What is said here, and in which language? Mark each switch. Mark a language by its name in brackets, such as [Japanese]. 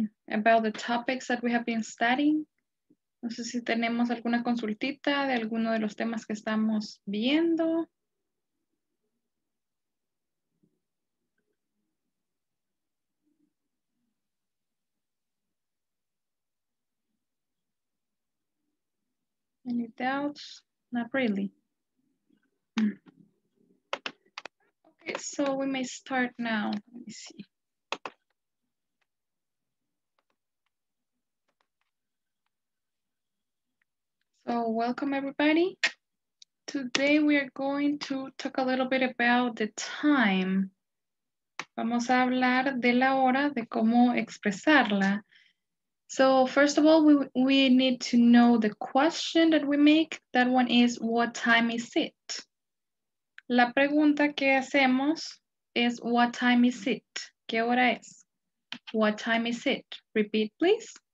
[English] About the topics that we have been studying. [Spanish] No sé si tenemos alguna consultita de alguno de los temas que estamos viendo. [English] Any doubts? Not really. Okay, so we may start now. Let me see. So welcome everybody. Today we are going to talk a little bit about the time. [Spanish] Vamos a hablar de la hora, de cómo expresarla. [English] So first of all, we need to know the question that we make. That one is, what time is it? [Spanish] La pregunta que hacemos [English] is, what time is it? [Spanish] ¿Qué hora es? [English] What time is it? Repeat, please.